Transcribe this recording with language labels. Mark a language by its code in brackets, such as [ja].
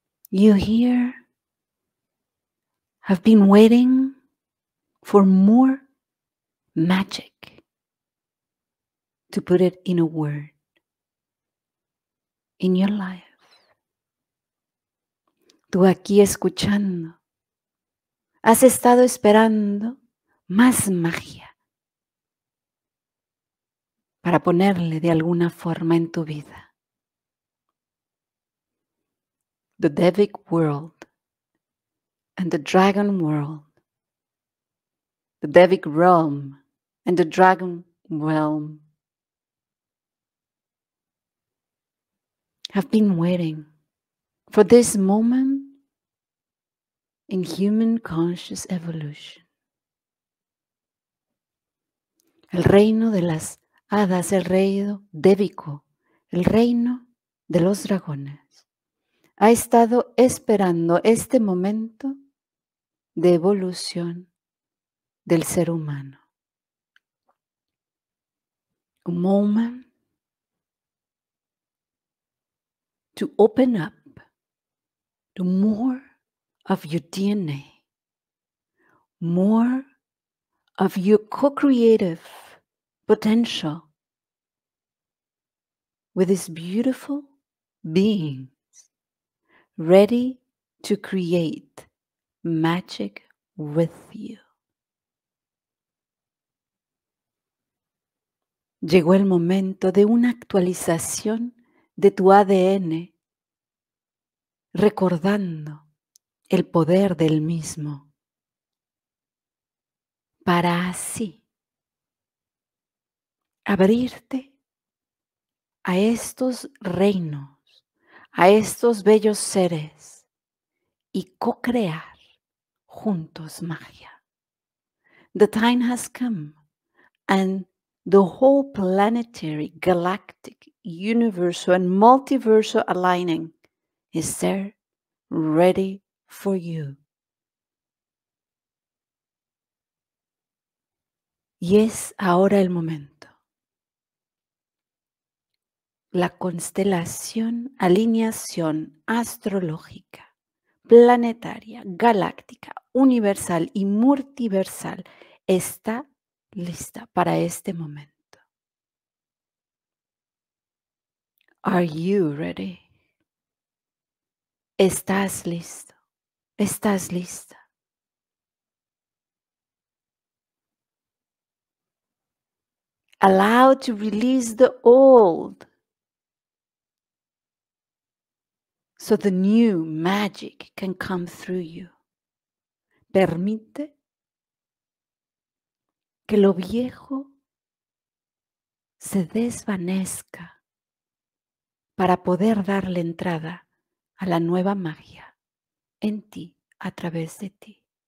[en] You here have been waiting for more magic, to put it in a word, in your life. [es] Tú aquí escuchando, has estado esperando más magia para ponerle de alguna forma en tu vida. [en] The Devic world and the dragon world. The Devic realm and the dragon realm have been waiting for this moment in human conscious evolution. [es] El reino de las hadas, el reino dévico, el reino de los dragones, ha estado esperando este momento de evolución del ser humano. [en] A moment to open up to more of your DNA, more of your co-creative potential with these beautiful beings ready to create magic with you. [es] Llegó el momento de una actualización de tu ADN, recordando el poder del mismo, para así abrirte a estos reinos, a estos bellos seres y co-crear juntos magia. [en] The time has come and the whole planetary, galactic, universal and multiversal aligning is there ready for you. [es] Y es ahora el momento. La constelación, alineación astrológica, planetaria, galáctica, universal y multiversal está lista para este momento. [en] Are you ready? [es] ¿Estás listo? ¿Estás lista? [en] Allow to release the old so the new magic can come through you. [es] Permite que lo viejo se desvanezca para poder darle entrada a la nueva magia en ti, a través de ti.